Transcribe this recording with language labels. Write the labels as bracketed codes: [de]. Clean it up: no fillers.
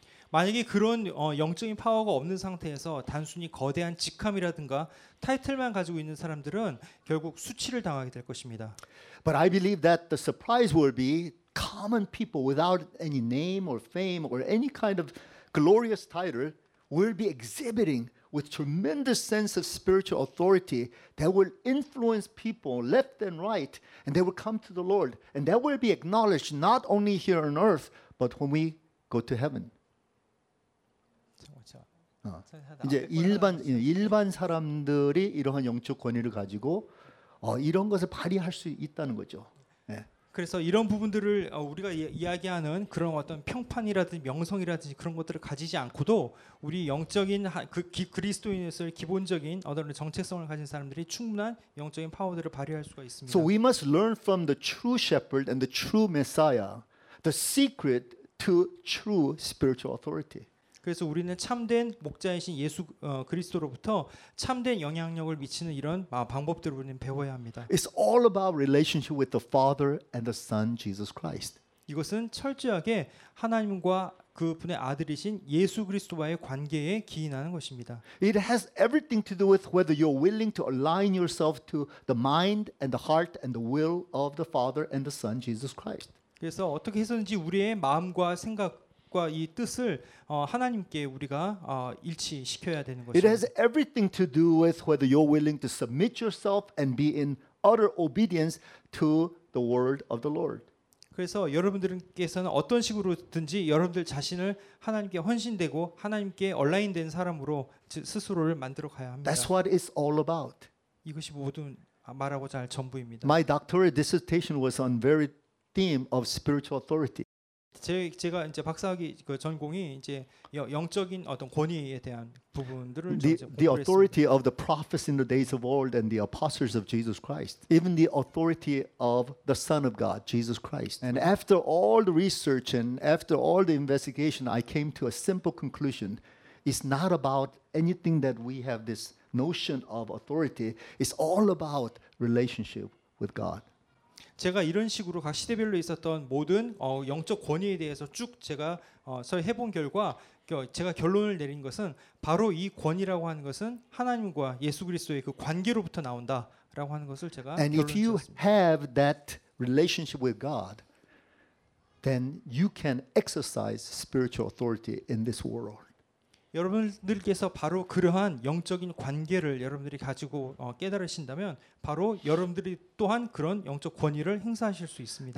[ko] 만약에 그런 영적인 파워가 없는 상태에서 단순히 거대한 직함이라든가 타이틀만 가지고 있는 사람들은 결국 수치를 당하게 될 것입니다. [en] But I believe that the surprise will be common people without any name or fame or any kind of glorious title will be exhibiting with tremendous sense of spiritual authority that will influence people left and right and they will come to the Lord and that will be acknowledged not only here on earth but when we go to heaven. [ko] 이제 일반 사람들이 이러한 영적 권위를 가지고 이런 것을 발휘할 수 있다는 거죠. 그래서 이런 부분들을 우리가 이야기하는 그런 어떤 평판이라든지 명성이라든지 그런 것들을 가지지 않고도 우리 영적인 그리스도인으로서의 기본적인 어떤 정체성을 가진 사람들이 충분한 영적인 파워들을 발휘할 수가 있습니다. [en] So we must learn from the true shepherd and the true Messiah the secret to true spiritual authority. [ko] 그래서 우리는 참된 목자이신 예수 그리스도로부터 참된 영향력을 미치는 이런 방법들을 우리는 배워야 합니다. [en] It's all about relationship with the Father and the Son Jesus Christ. [ko] 이것은 철저하게 하나님과 그분의 아들이신 예수 그리스도와의 관계에 기인하는 것입니다. [en] It has everything to do with whether you're willing to align yourself to the mind and the heart and the will of the Father and the Son Jesus Christ. [ko] 그래서 어떻게 해서든지 우리의 마음과 생각 과 이 뜻을 하나님께 우리가 일치시켜야 되는 것입니다. [en] It has everything to do with whether you're willing to submit yourself and be in utter obedience to the word of the Lord. [ko] 그래서 여러분들께서는 어떤 식으로든지 여러분들 자신을 하나님께 헌신되고 하나님께 얼라인된 사람으로 스스로를 만들어 가야 합니다. [en] That's what it's all about. [ko] 이것이 모든 말하고자 할 전부입니다. [en] My doctoral dissertation was on very theme of spiritual authority. [ko] 제가 이제 박사학위 그 전공이 이제 영적인 어떤 권위에 대한 부분들을 좀 [en] The authority of the prophets in the days of old and the apostles of Jesus Christ, even the authority of the Son of God, Jesus Christ. And after all the research and after all the investigation, I came to a simple conclusion: it's not about anything that we have this notion of authority. It's all about relationship with God. [ko] 제가 이런 식으로 각 시대별로 있었던 모든 영적 권위에 대해서 쭉 제가 해본 결과 제가 결론을 내린 것은 바로 이 권위라고 하는 것은 하나님과 예수 그리스도의 그 관계로부터 나온다라고 하는 것을 제가 [en] And if you have that relationship with God, then you can exercise spiritual authority in this world. [ko] 여러분들께서 바로 그러한 영적인 관계를 여러분들이 가지고 깨달으신다면 바로 여러분들이 또한 그런 영적 권위를 행사하실 수 있습니다.